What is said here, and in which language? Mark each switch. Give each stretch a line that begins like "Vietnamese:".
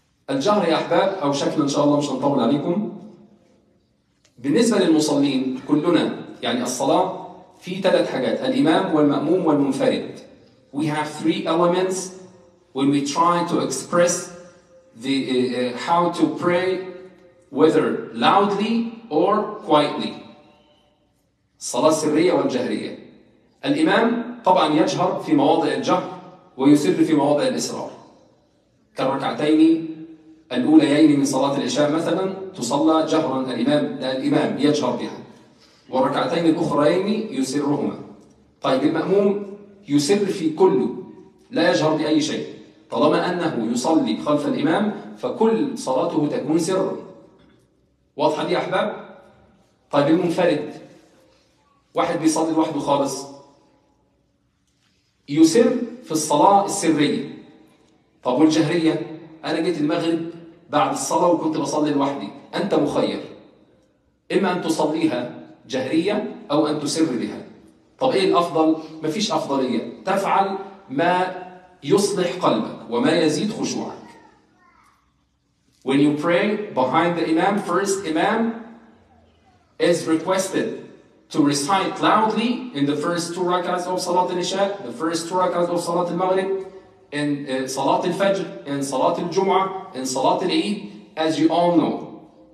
Arabic: الجهر يا أحباب أو شكل إن شاء الله مش هنطول عليكم. بالنسبة للمصلين كلنا يعني الصلاة في ثلاث حاجات: الإمام والمأموم والمنفرد.
English: We have three elements when we try to express the how to pray, whether loudly or quietly.
Arabic: الصلاة السرية والجهرية. الإمام طبعا يجهر في مواضع الجهر ويسر في مواضع الإسرار. كالركعتين الأوليين من صلاة العشاء مثلا تصلى جهرا الإمام، الإمام يجهر بها، والركعتين الأخرين يسرهما. طيب المأموم يسر في كله، لا يجهر بأي شيء، طالما أنه يصلي خلف الإمام فكل صلاته تكون سرا. واضحة دي يا أحباب؟ طيب المنفرد، واحد بيصلي لوحده خالص، يسر في الصلاة السرية. طب والجهرية؟ أنا جيت المغرب بعد الصلاة وكنت بصلي لوحدي، أنت مخير، إما أن تصليها جهرية أو أن تسر بها. طب إيه الأفضل؟ مفيش أفضلية، تفعل ما يصلح قلبك وما يزيد خشوعك.
English: When you pray behind the imam, first imam is requested to recite loudly in the first two rak'ahs of Salat al-Isha, the first two rak'ahs of Salat al-Maghrib, in Salat al-Fajr, in Salat al-Jum'ah, in Salat al-Eid, as you all know.